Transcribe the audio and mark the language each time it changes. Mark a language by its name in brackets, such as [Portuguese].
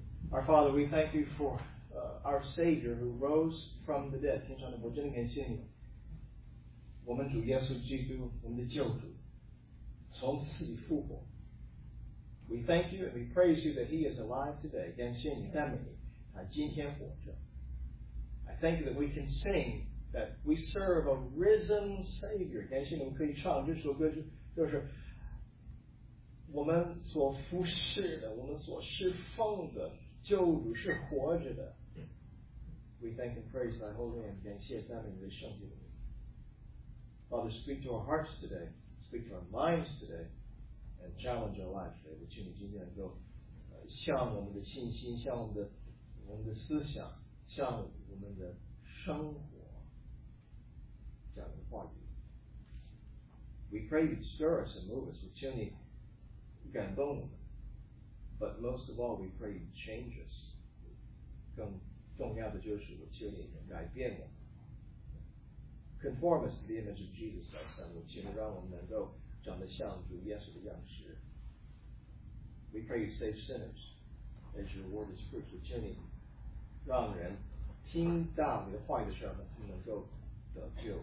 [English] Our Father, we thank you for our Savior who rose from the dead. [Chinese] 天上的父，真的感谢你。我们主耶稣基督，我们的救主，从死里复活。 [English] We thank you and we praise you that he is alive today. [Chinese] 感谢你，赞美你，他今天活着。 [English] I thank you that we can sing that we serve a risen Savior. [Chinese] 感谢你，我们可以唱这首歌，就是我们所服侍的，我们所侍奉的救主是活着的。 [English] We thank and praise thy holy name. [Chinese] 感谢赞美你的圣洁的名。 [English] Father, speak to our hearts today. Speak to our minds today. And challenge our life today. [Chinese] 我请你今天能够向我们的信心，向我们的思想，向我们的生活讲的话语。 [English] We pray you stir us and move us. [Chinese] 我请你感动我们。 [English] But most of all, we pray you change us. [Chinese] 更重要的就是我请你能改变我们。 [English] Conform us to the image of Jesus, our Son. [Chinese] 我请你让我们能够。长得像主耶稣的样式。 [English] We pray you save sinners as your word is preached. [Chinese] 我请你让人听到你的话语的时候，他们能够得救。